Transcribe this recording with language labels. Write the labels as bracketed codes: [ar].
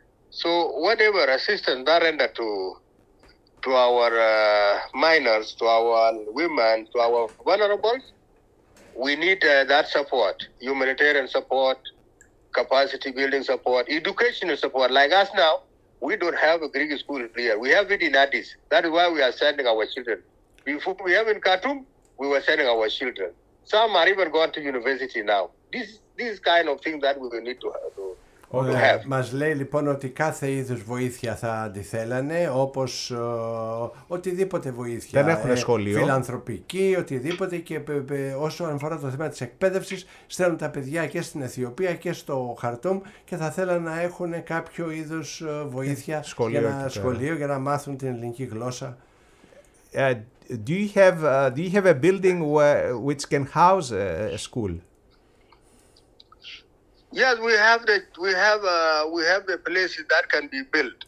[en] So whatever assistance that render to our minors, to our women, to our vulnerable, we need that support, humanitarian support, capacity building support, educational support. Like us now, we don't have a Greek school here. We have it in Addis. That is why we are sending our children. Before we have in Khartoum, we were sending our children. Some are even going to university now. This kind of thing that we will need to have. [el] Μας λέει λοιπόν ότι κάθε είδους βοήθεια θα αντιθέλανε, όπως οτιδήποτε βοήθεια. Δεν έχουν σχολείο. Φιλανθρωπική, οτιδήποτε, και όσο αφορά το θέμα της εκπαίδευσης, στέλνουν τα παιδιά και στην Αιθιοπία και στο Χαρτούμ και θα θέλανε να έχουν κάποιο είδους βοήθεια, σχολείο για να μάθουν την ελληνική γλώσσα. [en] Do you have a building which can house a school? Yes, we have the places that can be built.